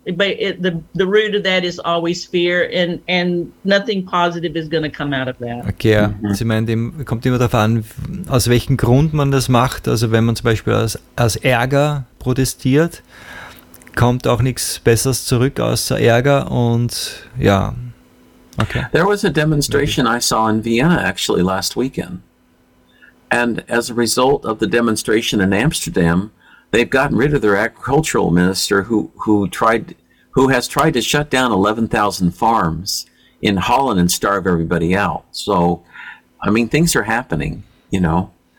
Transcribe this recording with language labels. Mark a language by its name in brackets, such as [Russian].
[English] But the root of that is always fear, and nothing positive is going to come out of that. [German] Okay, ja. Mm-hmm. Sie meint, kommt immer darauf an, aus welchem Grund man das macht. Also wenn man zum Beispiel aus Ärger protestiert, kommt auch nichts Besseres zurück außer Ärger und ja, okay. [English] There was a demonstration I saw in Vienna actually last weekend. And as a result of the demonstration in Amsterdam, they've gotten rid of their agricultural minister who has tried to shut down 11,000 farms in Holland and starve everybody out. So, I mean, things are happening, you know.